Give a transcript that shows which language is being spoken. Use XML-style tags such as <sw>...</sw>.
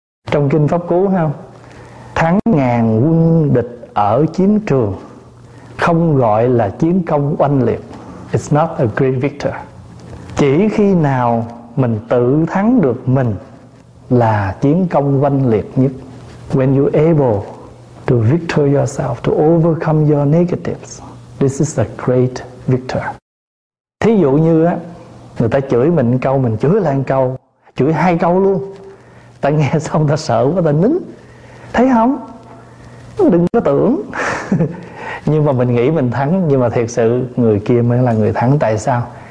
<vi>Trong Kinh Pháp Cú không? Thắng ngàn quân địch ở chiến trường, không gọi là chiến công oanh liệt.</vi> <en>It's not a great victor.</en> <vi>Chỉ khi nào mình tự thắng được mình là chiến công oanh liệt nhất.</vi> <en>When you able to victor yourself, to overcome your negatives, this is a great victor.</en> <vi>Thí dụ như á, người ta chửi mình câu, mình chửi lại câu, chửi hai câu luôn. Ta nghe xong ta sợ quá, ta nín. Thấy không? Đừng có tưởng. Nhưng mà mình nghĩ mình thắng, nhưng mà thiệt sự người kia mới là người thắng. Tại sao?</vi>